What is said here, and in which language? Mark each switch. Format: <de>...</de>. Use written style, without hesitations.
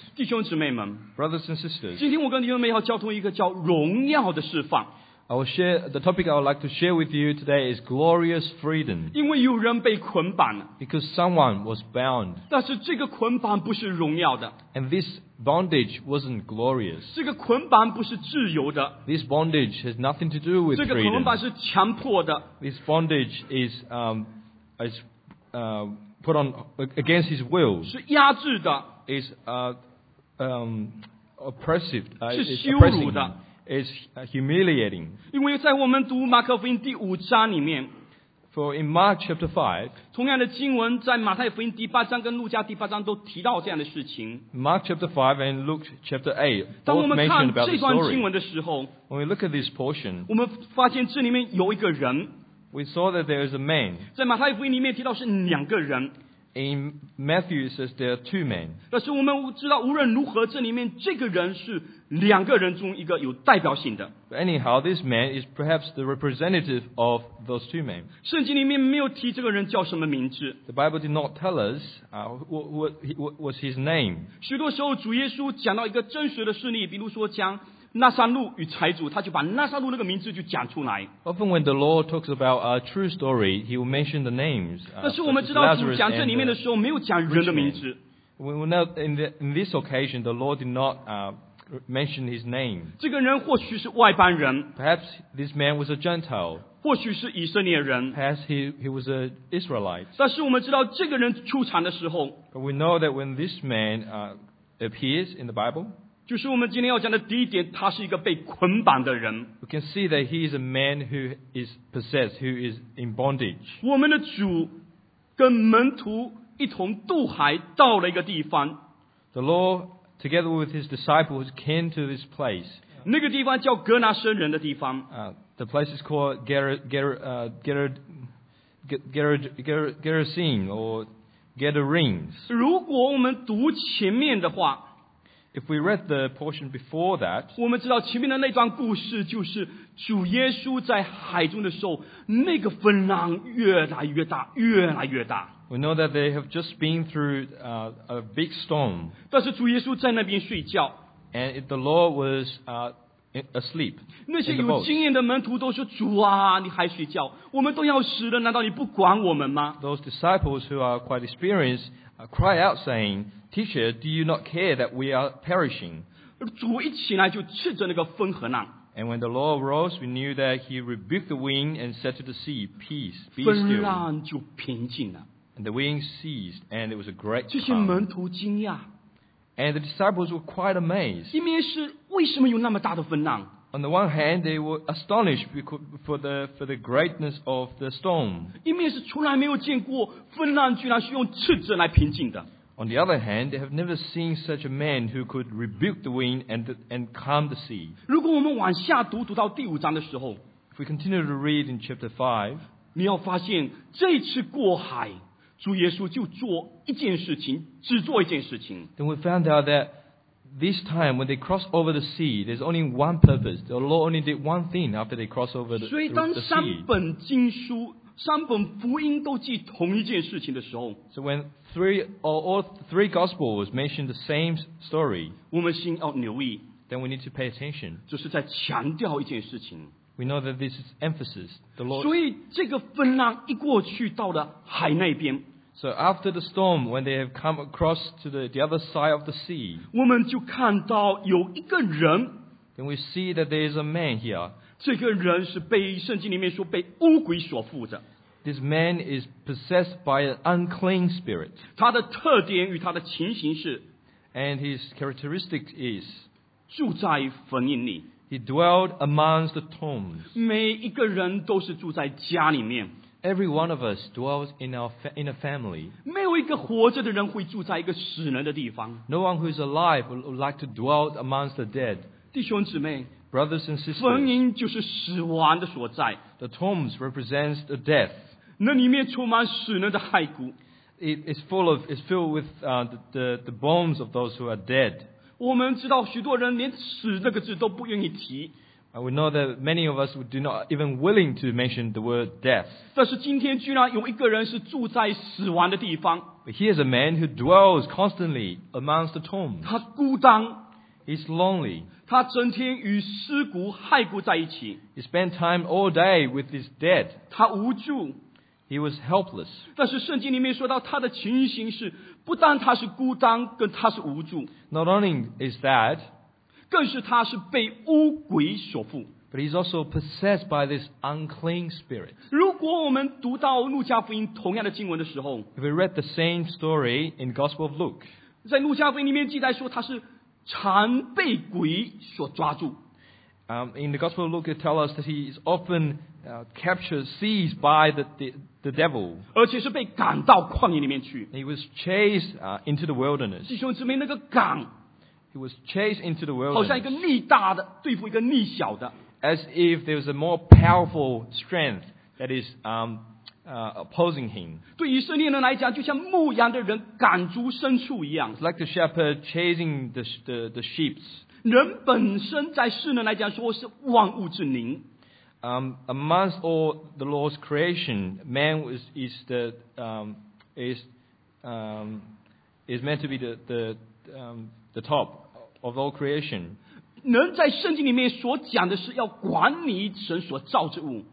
<zh>弟兄姊妹们，</zh> <en>brothers and sisters,</en> <zh>今天我跟弟兄们要交通一个叫荣耀的释放。</zh> <en>The topic I would like to share with you today is glorious freedom.</en> <zh>因为有人被捆绑。</zh> <en>Because someone was bound.</en> <zh>但是这个捆绑不是荣耀的。</zh> <en>And this bondage wasn't glorious.</en> <zh>这个捆绑不是自由的。</zh> <en>This bondage has nothing to do with freedom.</en> <zh>这个捆绑是强迫的。</zh> <en>This bondage is put on against his will.</en> <zh>是压制的。</zh> <en>Is oppressive.</en> <zh>是羞辱的。</zh> <en>Is humiliating.</en> <zh>因为在我们读马可福音第五章里面，</zh> <en>For in Mark chapter 5,</en> <zh>同样的经文在马太福音第八章跟路加第八章都提到这样的事情。</zh> <en>Mark chapter 5 and Luke chapter 8,</en> <zh>当我们看这段经文的时候，</zh> <en>When we look at this portion,</en> <zh>我们发现这里面有一个人。</zh> <en>We saw that there is a man.</en> <zh>在马太福音里面提到是两个人。</zh> <en>In Matthew, it says there are two men.</en> <zh>但是我们知道，无论如何，这里面这个人是两个人中一个有代表性的。</zh> <en>But anyhow, this man is perhaps the representative of those two men.</en> <zh>圣经里面没有提这个人叫什么名字。</zh> <en>The Bible did not tell us what was his name.</en> <zh>许多时候，主耶稣讲到一个真实的事例，比如说讲拿撒路与财主，他就把拿撒路那个名字就讲出来。</zh> <en>Often when the Lord talks about a true story, he will mention the names.</en> <zh>但是我们知道主讲这里面的时候没有讲人的名字。</zh> <en>We will know in this occasion, the Lord did not mention his name.</en> <zh>这个人或许是外邦人。</zh> <en>Perhaps this man was a Gentile.</en> <zh>或许是以色列人。</zh> <en>Perhaps he was an Israelite.</en> <zh>但是我们知道这个人出场的时候。</zh> <en>But we know that when this man appears in the Bible,</en> <zh>就是我们今天要讲的第一点，他是一个被捆绑的人。</zh> <en>We can see that he is a man who is possessed, who is in bondage.</en> <zh>我们的主跟门徒一同渡海到了一个地方。</zh> <en>The Lord, together with his disciples, came to this place.</en> <zh>那个地方叫哥拿僧人的地方。</zh> <en>The place is called Gerasene or Gadarenes.</en> <zh>如果我们读前面的话。</zh> <en>If we read the portion before that,</en> <zh>我们知道前面的那段故事就是主耶稣在海中的时候，那个风浪越来越大，越来越大。</zh> <en>We know that they have just been through a big storm.</en> <zh>但是主耶稣在那边睡觉。</zh> <en>And the Lord was asleep.</en> <zh>那些有经验的门徒都说：“主啊，你还睡觉？我们都要死了，难道你不管我们吗？”</zh> <en>Those disciples who are quite experienced cry out saying. Teacher, do you not care that we are perishing?</en> <zh>主一起来就斥责那个风和浪。</zh> <en>And when the Lord arose, we knew that he rebuked the wind and said to the sea, Peace, be still.</en> <zh>风浪就平静了。</zh> <en>And the wind ceased, and it was a great calm.</en> <zh>这些门徒惊讶。</zh> <en>And the disciples were quite amazed.</en> <zh>一面是为什么有那么大的风浪。</zh> <en>On the one hand, they were astonished because, for the greatness of the storm.</en> <zh>一面是从来没有见过风浪居然是用斥责来平静的。</zh> <en>On the other hand, they have never seen such a man who could rebuke the wind and calm the sea.</en> <zh>如果我们往下读，读到第五章的时候，</zh> <en>if we continue to read in chapter 5,</en> <zh>你要发现这次过海，主耶稣就做一件事情，只做一件事情。</zh> <en>Then we found out that this time when they cross over the sea, there's only one purpose. The Lord only did one thing after they cross over the sea.</en> <zh>所以当三本经书三本福音都记同一件事情的时候，</zh> <en>so when all three gospels mention the same story,</en> <zh>我们心要留意，</zh> <en>then we need to pay attention.</en> <zh>就是在强调一件事情。</zh> <en>We know that this is emphasis. The Lord.</en> <zh>所以这个风浪一过去，到了海那边。</zh> <en>So after the storm, when they have come across to the other side of the sea,</en> <zh>我们就看到有一个人。</zh> <en>Then we see that there is a man here.</en> <zh>这个人是被圣经里面说被巫鬼所附着。</zh> <en>This man is possessed by an unclean spirit.</en> <zh>他的特点与他的情形是</zh> <en>，and his characteristic is</en> <zh>住在坟茔里。</zh> <en>He dwelled amongst the tombs.</en> <zh>每一个人都是住在家里面。</zh> <en>Every one of us dwells in a family.</en> <zh>没有一个活着的人会住在一个死人的地方。</zh> <en>No one who is alive would like to dwell amongst the dead.</en> <zh>弟兄姊妹。</zh> <en>Brothers and sisters,</en> <zh>坟茔就是死亡的所在。</zh> <en>The tombs represents the death.</en> <zh>那里面充满死人的骸骨。</zh> <en>It is full of, is filled with the bones of those who are dead.</en> <zh>我们知道许多人连死这个字都不愿意提。</zh> <en>We know that many of us do not even willing to mention the word death.</en> <zh>但是今天居然有一个人是住在死亡的地方。</zh> <en>But he is a man who dwells constantly amongst the tombs.</en> <zh>他孤单。</zh> <en>He's lonely.</en> <zh>他整天与尸骨骸骨在一起。</zh> <en>He spent time all day with his dead.</en> <zh>他无助。</zh> <en>He was helpless.</en> <zh>但是圣经里面说到他的情形是，不但他是孤单，更他是无助。</zh> <en>Not only is that,</en> <zh>更是他是被巫鬼所附。</zh> <en>But he's also possessed by this unclean spirit.</en> <zh>如果我们读到路加福音同样的经文的时候，</zh> <en>If we read the same story in Gospel of Luke,</en> <zh>在路加福音里面记载说他是常被鬼所抓住。</zh> <en>In the Gospel of Luke, it tells us that he is often captured, seized by the devil.</en> <zh>而且是被赶到旷野里面去。</zh> <en>He was chased into the wilderness.</en> <zh>弟兄姊妹，那个赶。</zh> <en>He was chased into the wilderness.</en> <zh>好像一个力大的对付一个力小的。</zh> <en>As if there was a more powerful strength that is opposing him.</en> <zh>对以色列人来讲，就像牧羊的人赶逐牲畜一样。</zh> <en>It's like the shepherd chasing the sheep.</en> <zh>人本身在世人来讲说是万物之灵。</zh> <en>Amongst all the Lord's creation, man is meant to be the top of all creation.</en> <zh>人在圣经里面所讲的是要管理神所造之物。</zh>